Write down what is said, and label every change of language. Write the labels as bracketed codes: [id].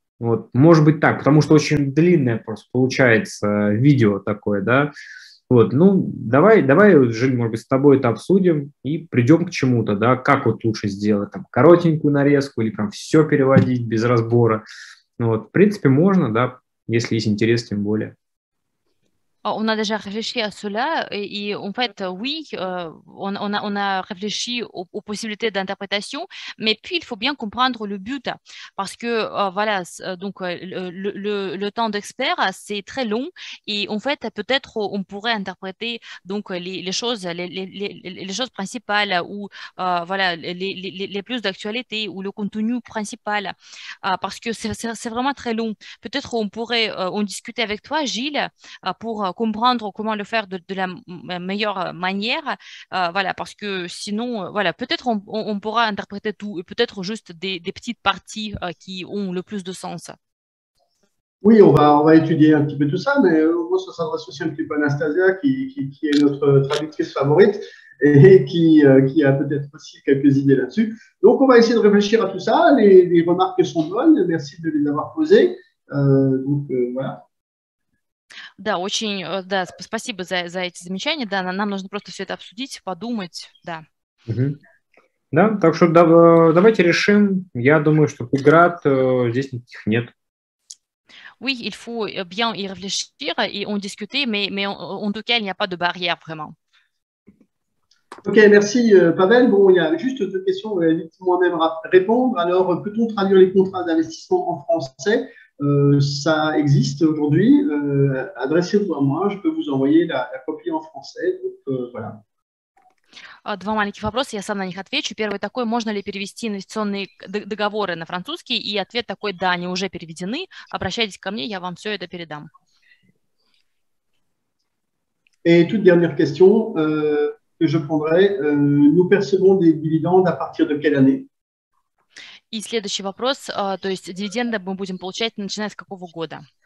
[ru] Вот, может быть, так, потому что очень длинное просто получается видео такое, да. Вот, ну, давай, Жиль, может быть, с тобой это обсудим и придем к чему-то, да, как вот лучше сделать, там, коротенькую нарезку или прям все переводить без разбора. Ну, вот, в принципе, можно, да. Если есть интерес, тем более. [fr] On a déjà réfléchi à cela et en fait, oui, on a réfléchi aux possibilités d'interprétation, mais puis il faut bien comprendre le but parce que voilà, donc le temps d'expert, c'est très long et en fait, peut-être on pourrait interpréter donc les choses principales ou voilà, les plus d'actualité ou le contenu principal parce que c'est vraiment très long. Peut-être on pourrait en discuter avec toi, Gilles, pour comprendre comment le faire de la meilleure manière, voilà, parce que sinon, voilà, peut-être on pourra interpréter tout et peut-être juste des petites parties, qui ont le plus de sens. Oui, on va étudier un petit peu tout ça, mais moi, ça s'adresse aussi un petit peu à Anastasia, qui est notre traductrice favorite et qui a peut-être aussi quelques idées là-dessus. Donc, on va essayer de réfléchir à tout ça. Les remarques sont bonnes. Merci de les avoir posées. Voilà. [ru] Да, очень, да, спасибо за эти замечания. Да, нам нужно просто все это обсудить, подумать, да. Да, так что давайте решим. Я думаю, что преград здесь никаких нет. [fr] Oui, il faut bien y réfléchir et en discuter, mais en tout cas, il n'y a pas de barrière vraiment. Ok, merci Pavel. Bon, il y a juste deux questions, je vais vite moi-même répondre. Alors, peut-on traduire les contrats d'investissement en français? Ça existe aujourd'hui. Adressez-vous à moi, je peux vous envoyer la copie en français. Donc, voilà. [ru] Два маленьких вопроса, я сам на них отвечу. Первый такой, можно ли перевести инвестиционные договоры на французский? И ответ такой, да, они уже переведены. Обращайтесь ко мне, я вам все это передам. [fr] Et toute dernière question. Que je prendrai, nous percevons des dividendes à partir de quelle année? [ru] И следующий вопрос, то есть дивиденды мы будем получать, начиная с какого года?